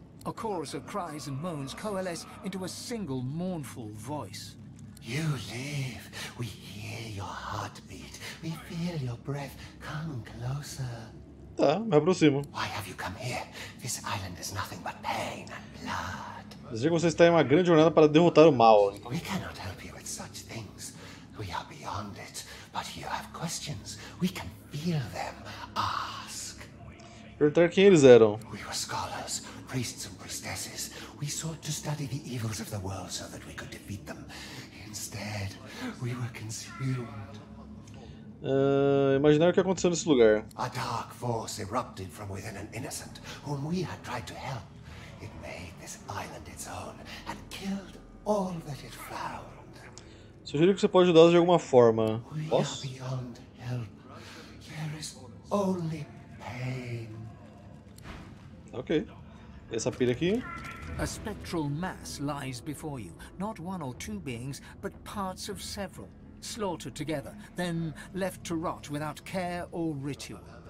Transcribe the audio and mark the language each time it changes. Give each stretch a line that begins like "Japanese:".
English: A chorus of cries and moans coalesce into a single mournful voice. You live. We hear your heartbeat. We feel your breath. Come closer.
Portuguese: Tá, me aproximo.
English: Why have you come here? This island is nothing but pain and blood.
Portuguese: Mas digo que você está em uma grande jornada para derrotar o mal.
English: We cannot help you with such things. We are beyond it. But you have questions. We can feel them. Ask.
Portuguese: Perguntar quem eles eram.
English: We were scholars, priests and priestesses. We sought to study the evils of the world so that we could defeat them. Instead, we were consumed.
Portuguese: Imaginar o que aconteceu nesse lugar.
English: A dark force erupted from within an innocent whom we had tried to help. It made this island its own and killed all that it found.
Portuguese: Sugiro que você pode ajudá-los de alguma forma. Posso?
English: We are beyond help. There is only pain.
Portuguese: Tá Ok. Essa pilha aqui.
English: A spectral mass lies before you. Not one or two beings, but parts of several. Slaughtered together, then left to rot without care or ritual.